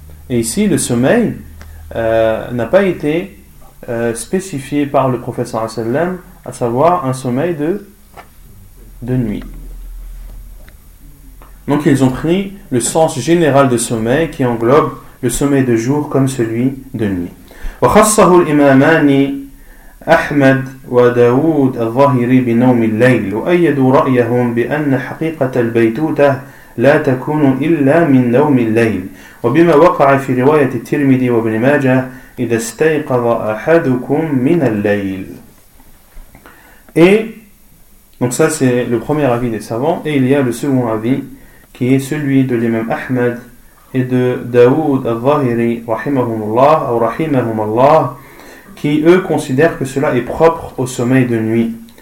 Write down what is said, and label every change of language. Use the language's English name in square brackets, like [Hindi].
[French] Et ici, le sommeil n'a pas été spécifié par le professeur sallam, à savoir un sommeil de nuit. Donc ils ont pris le sens général de sommeil qui englobe le sommeil de jour comme celui de nuit. [Arabic] وخصه الإمامان أحمد وداود الظاهري بنوم الليل وأيدوا رأيهم بأن حقيقة البيتوتة لا تكون إلا من نوم الليل وبما وقع في رواية الترمذي وابن ماجه إذا استيقظ أحدكم من الليل. [French] Donc ça c'est le premier avis des savants et il y a le second avis qui est celui de l'imam Ahmed et de Daoud al-Zahiri rahimahumullah ou rahimahumallah qui eux considèrent que cela est propre au sommeil de nuit.